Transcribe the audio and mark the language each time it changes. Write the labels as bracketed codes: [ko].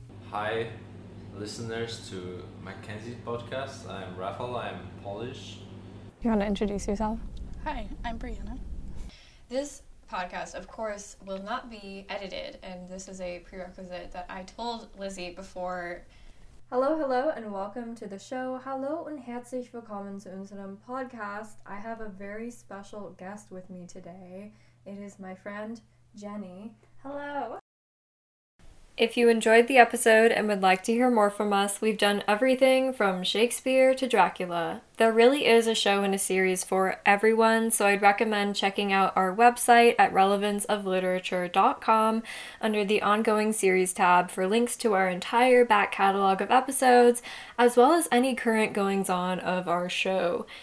[en] Hi, listeners to Mackenzie's podcast. I'm Rafael, I'm Polish. You want to introduce yourself? Hi, I'm Brianna. This podcast, of course, will not be edited, and this is a prerequisite that I told Lizzie before. Hello, hello, and welcome to the show. [de] Hallo und herzlich willkommen zu unserem Podcast. [en] I have a very special guest with me today. It is my friend, Jenny. Hello. If you enjoyed the episode and would like to hear more from us, we've done everything from Shakespeare to Dracula. There really is a show and a series for everyone, so I'd recommend checking out our website at relevanceofliterature.com under the ongoing series tab for links to our entire back catalog of episodes, as well as any current goings-on of our show.